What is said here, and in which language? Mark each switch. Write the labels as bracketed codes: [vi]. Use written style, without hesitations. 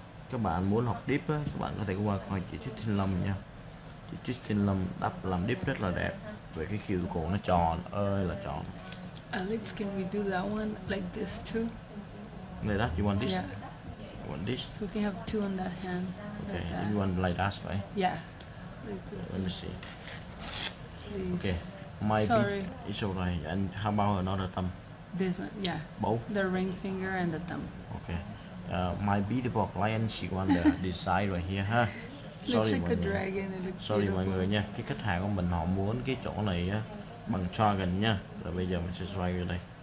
[vi] Các bạn muốn học deep á, các bạn có thể qua coi chị Justin Lâm nha. Chị Justin Lâm đắp làm deep rất là đẹp. Về cái khiêu cổ nó tròn ơi là tròn. [en] Alex, can we do that one like this too? Like that? You want this? Yeah. You want this? So we can have two on that hand. Okay, like that. You want like that, right? Yeah. Like this. Let me see. Please. Okay. Sorry. It's alright. And how about another thumb? This one, yeah. Both? The ring finger and the thumb. Okay. My beautiful client, she want the this side right here, huh? Sorry [vi] mọi người. [en] Sorry [vi] mọi người nha. Cái khách hàng của mình họ muốn cái chỗ này á bằng dragon nha. Rồi bây giờ mình sẽ xoay vô đây.